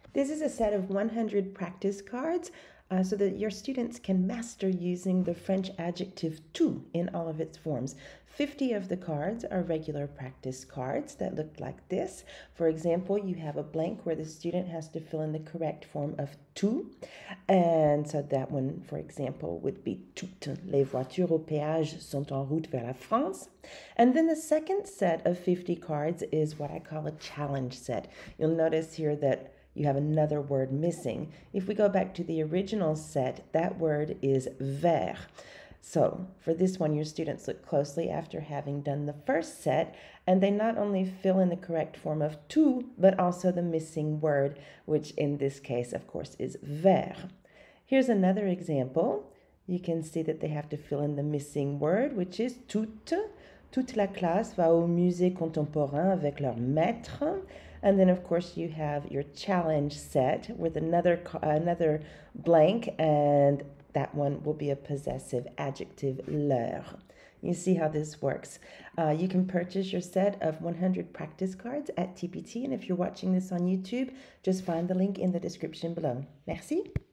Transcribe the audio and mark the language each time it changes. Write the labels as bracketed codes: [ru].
[en] This is a set of 100 practice cards so that your students can master using the French adjective tout in all of its forms. 50 of the cards are regular practice cards that look like this. For example, you have a blank where the student has to fill in the correct form of tout. And so that one, for example, would be [fr] toutes les voitures au péage sont en route vers la France. [en] And then the second set of 50 cards is what I call a challenge set. You'll notice here that you have another word missing. If we go back to the original set, that word is vers. So for this one, your students look closely after having done the first set, and they not only fill in the correct form of tout, but also the missing word, which in this case, of course, is vers. Here's another example. You can see that they have to fill in the missing word, which is toute. [fr] Toute la classe va au musée contemporain avec leur maître. [en] And then, of course, you have your challenge set with another blank, and that one will be a possessive adjective, leur. You see how this works. You can purchase your set of 100 practice cards at TPT, and if you're watching this on YouTube, just find the link in the description below. Merci.